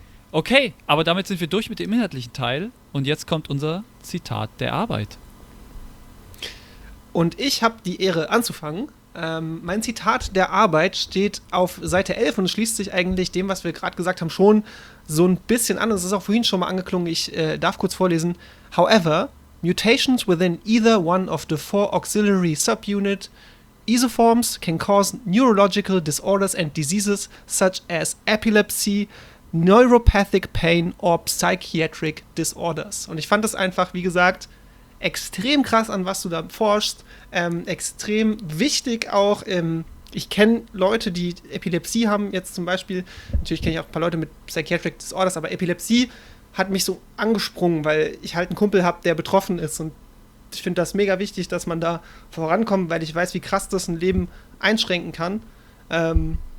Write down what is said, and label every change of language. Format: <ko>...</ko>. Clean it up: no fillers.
<de>Okay, aber damit sind wir durch mit dem inhaltlichen Teil. Und jetzt kommt unser Zitat der Arbeit. Und ich habe die Ehre anzufangen. Mein Zitat der Arbeit steht auf Seite 11 und schließt sich eigentlich dem, was wir gerade gesagt haben, schon so ein bisschen an. Es ist auch vorhin schon mal angeklungen, ich darf kurz vorlesen.</de> <en>However, mutations within either one of the four auxiliary subunit isoforms can cause neurological disorders and diseases such as epilepsy, neuropathic pain or psychiatric disorders.</en> <de>Und ich fand das einfach, wie gesagt, extrem krass, an was du da forschst, extrem wichtig auch. Ich kenne Leute, die Epilepsie haben, jetzt zum Beispiel, natürlich kenne ich auch ein paar Leute mit Psychiatric Disorders, aber Epilepsie hat mich so angesprungen, weil ich halt einen Kumpel habe, der betroffen ist, und ich finde das mega wichtig, dass man da vorankommt, weil ich weiß, wie krass das ein Leben einschränken kann.</de>